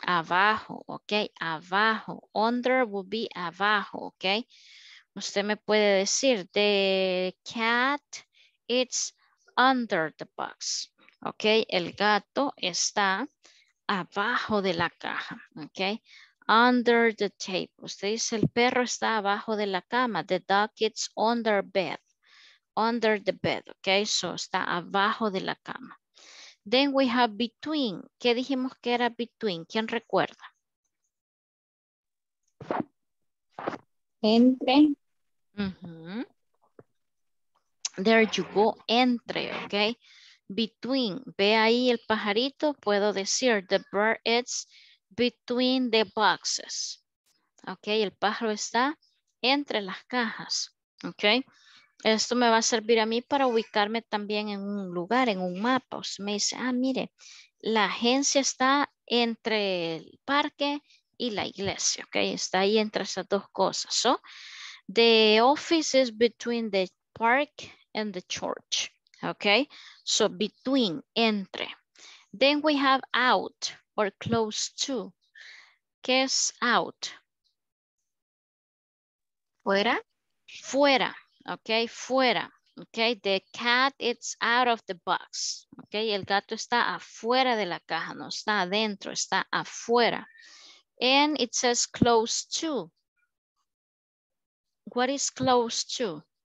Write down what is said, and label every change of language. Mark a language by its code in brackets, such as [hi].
[es] Abajo, ok, abajo, under will be abajo, ok. Usted me puede decir, [en] the cat is under the box, ok. [es] El gato está abajo de la caja, ok. [en] Under the table, [es] usted dice el perro está abajo de la cama. [en] The dog is under bed, under the bed, ok. [es] So está abajo de la cama. [en] Then we have between. [es] ¿Qué dijimos que era between? ¿Quién recuerda? Entre. [en] Uh-huh. There you go. [es] Entre, ok. Between. Ve ahí el pajarito. Puedo decir [en] the bird is between the boxes. [es] Ok, el pájaro está entre las cajas. Ok. Esto me va a servir a mí para ubicarme también en un lugar, en un mapa. Usted me dice, ah, mire, la agencia está entre el parque y la iglesia, ¿ok? Está ahí entre esas dos cosas. [en] So, the office is between the park and the church, ¿ok? So, between, entre. Then we have out or close to. [es] ¿Qué es out? ¿Fuera? Fuera. Okay, fuera. [en] Okay, the cat is out of the box. [es] Okay, el gato está afuera de la caja, no está adentro, está afuera. [en] And it says close to. What is close to?